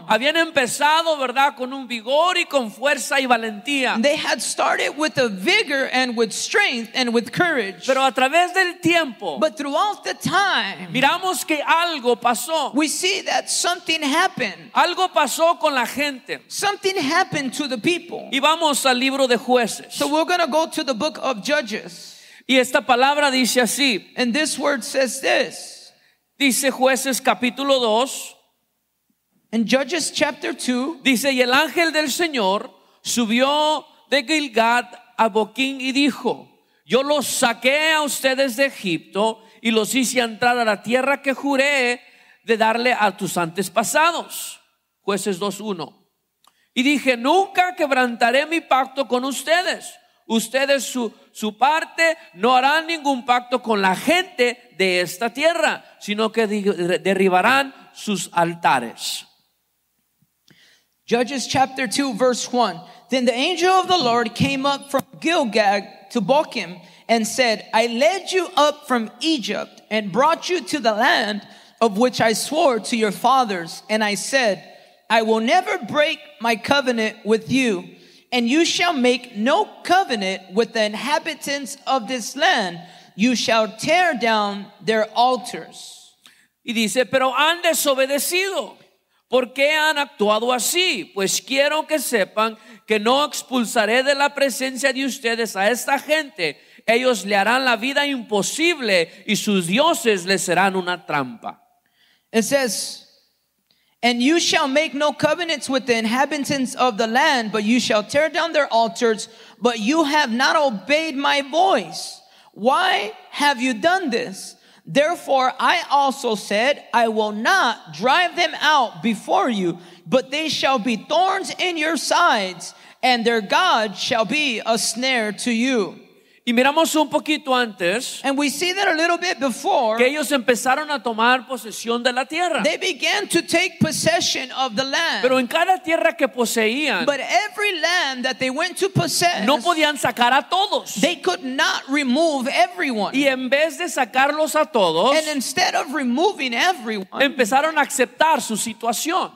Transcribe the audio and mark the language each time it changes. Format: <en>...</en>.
<es>Habían empezado, ¿verdad?, con un vigor y con fuerza y valentía.</es> <en>They had started with a vigor and with strength and with courage.</en> <es>Pero a través del tiempo,</es> <en>but throughout the time,</en> <es>miramos que algo pasó.</es> <en>We see that something happened.</en> <es>Algo pasó con la gente.</es> <en>Something happened to the people.</en> <es>Y vamos al libro de jueces.</es> <en>So we're going to go to the book of Judges.</en> <es>Y esta palabra dice así.</es> <en>And this word says this.</en> <es>Dice jueces capítulo 2.</es> <en>In Judges chapter 2.</en> <es>Dice, y el ángel del Señor subió de Gilgad a Boquín y dijo, yo los saqué a ustedes de Egipto y los hice entrar a la tierra que juré de darle a tus antepasados. Jueces 2:1. Y dije, nunca quebrantaré mi pacto con ustedes. Ustedes su parte no harán ningún pacto con la gente de esta tierra, sino que derribarán sus altares.</es> <en>Judges chapter 2 verse 1. Then the angel of the Lord came up from Gilgal to Bochim and said, I led you up from Egypt and brought you to the land of which I swore to your fathers, and I said, I will never break my covenant with you, and you shall make no covenant with the inhabitants of this land. You shall tear down their altars.</en> <es>Y dice, pero han desobedecido. ¿Por qué han actuado así? Pues quiero que sepan que no expulsaré de la presencia de ustedes a esta gente. Ellos le harán la vida imposible, y sus dioses les serán una trampa.</es> <en>It says, and you shall make no covenants with the inhabitants of the land, but you shall tear down their altars, but you have not obeyed my voice. Why have you done this? Therefore, I also said, I will not drive them out before you, but they shall be thorns in your sides, and their God shall be a snare to you.</en> <es>Y miramos un poquito antes,</es> <en>and we see that a little bit before,</en> <es>que ellos empezaron a tomar posesión de la tierra.</es> <en>They began to take possession of the land.</en> <es>Pero en cada tierra que poseían,</es> <en>but every land that they went to possess,</en> <es>no podían sacar a todos.</es> <en>They could not remove everyone.</en> <es>Y en vez de sacarlos a todos,</es> <en>and instead of removing everyone,</en> <es>empezaron a aceptar su situación.</es>